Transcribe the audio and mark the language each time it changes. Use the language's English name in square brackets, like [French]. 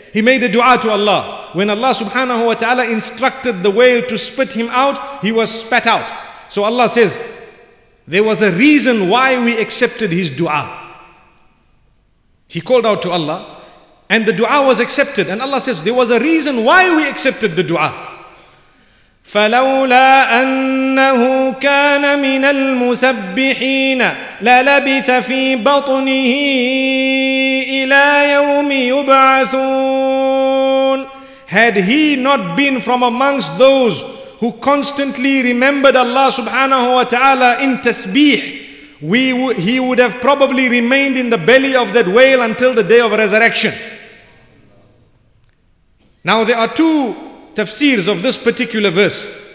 [English] He made a dua to Allah. When Allah subhanahu wa ta'ala instructed the whale to spit him out, he was spat out. So Allah says, there was a reason why we accepted his dua. He called out to Allah and the dua was accepted. And Allah says, there was a reason why we accepted the dua. [Arabic] فلولا أنه كان من المسبحين للبث في بطنه إلى يوم يبعثون. [English] Had he not been from amongst those who constantly remembered Allah subhanahu wa ta'ala in tasbih, he would have probably remained in the belly of that whale until the day of resurrection. Now there are two tafsirs of this particular verse.